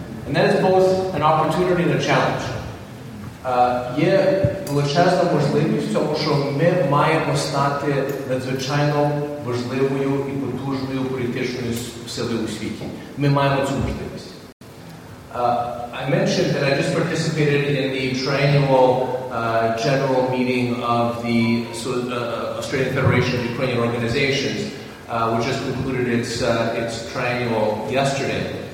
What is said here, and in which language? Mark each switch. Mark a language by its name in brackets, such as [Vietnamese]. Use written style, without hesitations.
[English] And that is both an opportunity and a challenge. [Ukrainian] Є величезна можливість в тому, що ми маємо стати надзвичайно важливою і потужною політичною силою у світі. Ми маємо цю можливість. [English] I mentioned that I just participated in the triennial general meeting of the Australian Federation of Ukrainian Organizations, which just concluded its triennial yesterday.